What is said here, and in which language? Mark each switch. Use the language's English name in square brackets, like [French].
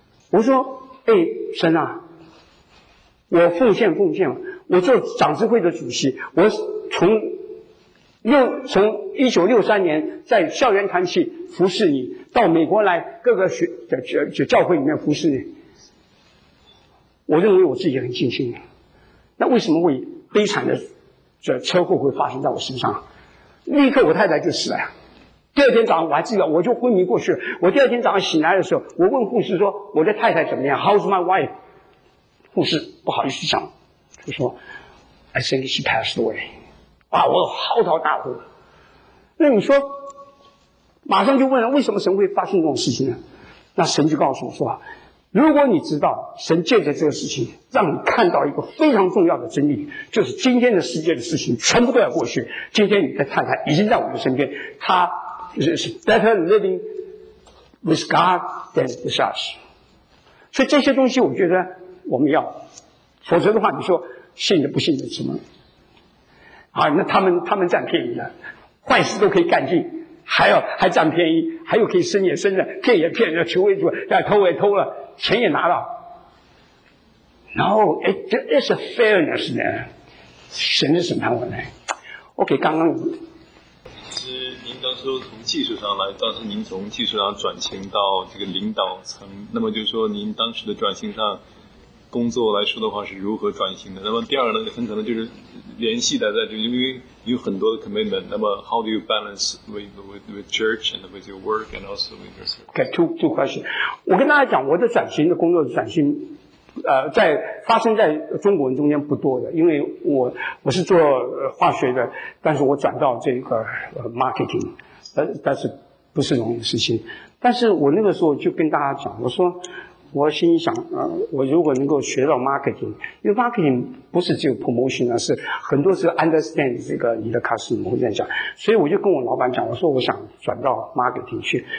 [Chinese] 我说，哎，神啊，我奉献，我做长执会的主席，我从1963年在校园团契服侍你，到美国来各个教会里面服侍你，我认为我自己很尽心。那为什么会悲惨的这车祸会发生在我身上？立刻我太太就死了，第二天早上我还记得，我就昏迷过去。我第二天早上醒来的时候，我问护士说我的太太怎么样， [English] How's my wife？ [Chinese] 护士不好意思讲，就说 [English] I think she passed away。 [Chinese] 哇，我嚎啕大哭。那你说马上就问了，为什么神会发生这种事情呢？那神就告诉我说，如果你知道神借着这个事情让你看到一个非常重要的真理，就是今天的世界的事情全部都要过去，今天你的太太已经在我们身边，她是 [English] better living with God than with us。 [Chinese] 所以这些东西我觉得我们要，否则的话你说信的不信的什么好，那他们占便宜了，坏事都可以干尽，还占便宜，还有可以生也生了，骗也骗了，求也求了，偷也偷了，钱也拿了。 [English] No, it's a fairness [Chinese] 呢，神的审判我呢。 OK, 刚刚。其实您当时从技术上来，当时您从技术上转型到这个领导层，那么就是说您当时的转型上工作来说的话是如何转型的？那么第二呢，很可能就是联系的，在这因为有很多的 commitment。那么 [English] how do you balance with church and with your work and also with your service? Okay, two questions. [Chinese] 我跟大家讲，我的转型的工作的转型，在发生在中国人中间不多的，因为我是做化学的，但是我转到这个marketing， 但是不是容易的事情。但是我那个时候就跟大家讲，我说。我心里想，我如果能够学到 marketing， 因为 marketing 不是只有 promotion 啊，是很多是 understand 这个你的 customer 会这样讲，所以我就跟我老板讲，我说我想转到 marketing 去。